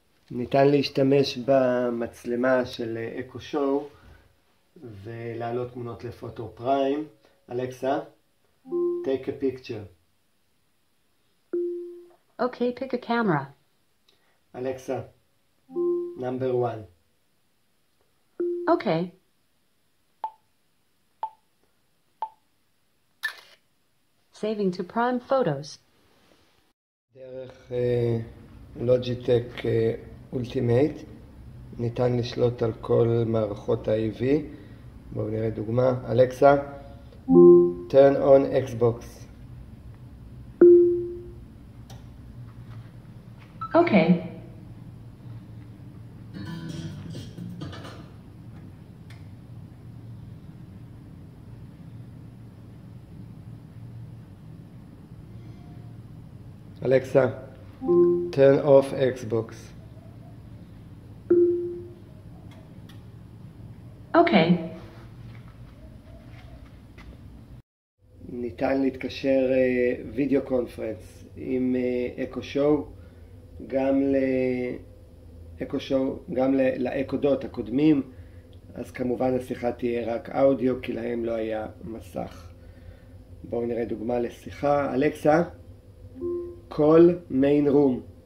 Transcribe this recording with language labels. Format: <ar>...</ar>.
<he>ניתן להשתמש במצלמה של אקו שואו ולהעלות תמונות לפוטו פריים.</he> <en>אלכסה, take a picture. Okay, pick a camera. אלכסה, number one. Okay. Saving to prime photos.</en> <he>דרך Logitech Ultimate ניתן לשלוט על כל מערכות ה-AV. בואו נראה דוגמה.</he> <en>אלכסה, turn on Xbox. אוקיי. אלכסה, turn off Xbox. אוקיי.</en> <he>ניתן להתקשר וידאו קונפרנס עם אקו שואו, גם לאקו שואו, גם לאקודות הקודמים, אז כמובן השיחה תהיה רק אודיו, כי להם לא היה מסך. בואו נראה דוגמה לשיחה.</he> <en>אלכסה, call main room.</en>